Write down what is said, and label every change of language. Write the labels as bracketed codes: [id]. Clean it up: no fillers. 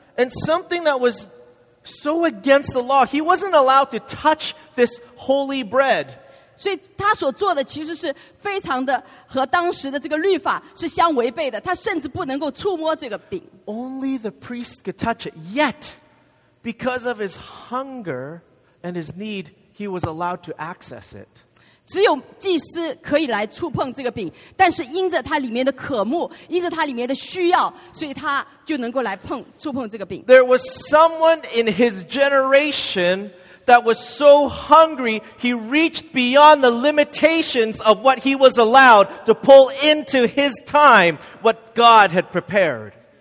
[en] And something that was so against the law, he wasn't allowed to touch this holy bread. [zh] 所以他所做的其实是非常的和当时的这个律法是相违背的，他甚至不能够触摸这个饼。 [en] Only the priest could touch it, yet because of his hunger and his need, he was allowed to access it. [zh] 只有祭司可以来触碰这个饼，但是因着它里面的渴慕，因着它里面的需要，所以他就能够来碰触碰这个饼。 [en] There was someone in his generation that was so hungry, he reached beyond the limitations of what he was allowed to pull into his time what God had prepared.